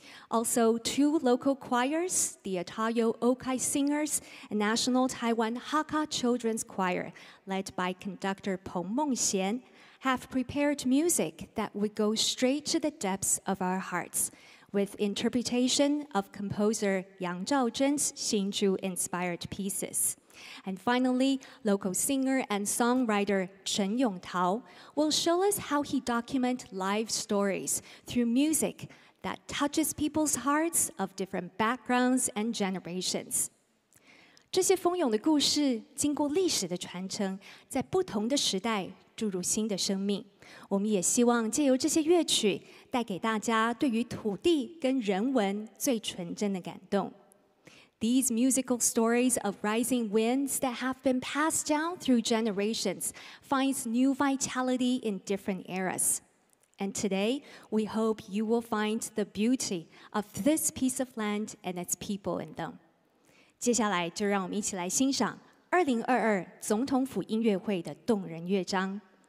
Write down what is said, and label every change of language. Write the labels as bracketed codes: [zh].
[en] Also, two local choirs, the Atayo Okai Singers and National Taiwan Hakka Children's Choir, led by conductor Peng Mengxian, have prepared music that would go straight to the depths of our hearts, with interpretation of composer Yang Zhaozhen's Hsinchu-inspired pieces. And finally, local singer and songwriter Chen Yongtao will show us how he documents live stories through music that touches people's hearts of different backgrounds and generations. [zh] 这些蜂拥的故事经过历史的传承，在不同的时代注入新的生命。我们也希望借由这些乐曲，带给大家对于土地跟人文最纯真的感动。 [en] These musical stories of rising winds that have been passed down through generations finds new vitality in different eras. And today, we hope you will find the beauty of this piece of land and its people in them. [zh] 接下来就让我们一起来欣赏2022总统府音乐会的动人乐章。